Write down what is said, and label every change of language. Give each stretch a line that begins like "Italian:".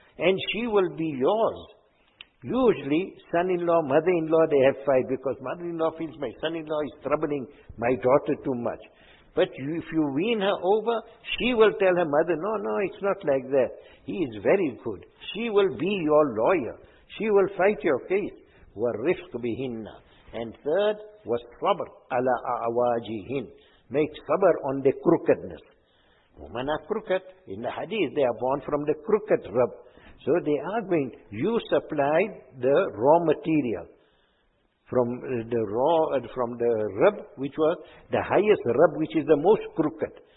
English: And she will be yours. Usually, son-in-law, mother-in-law, they have fight because mother-in-law feels my son-in-law is troubling my daughter too much. But if you wean her over, she will tell her mother, no, no, it's not like that. He is very good. She will be your lawyer. She will fight your case.
Arabic: وَالرِّفْقُ بِهِنَّ.
English: And third,
Arabic: وَالصَّبْرْ عَلَىٰ أَعْوَاجِهِنْ.
English: Make sabr on the crookedness. Women are crooked. In the hadith, they are born from the crooked rib. So they are going, you supplied the raw material from the raw, from the rib, which was the highest rib, which is the most crooked.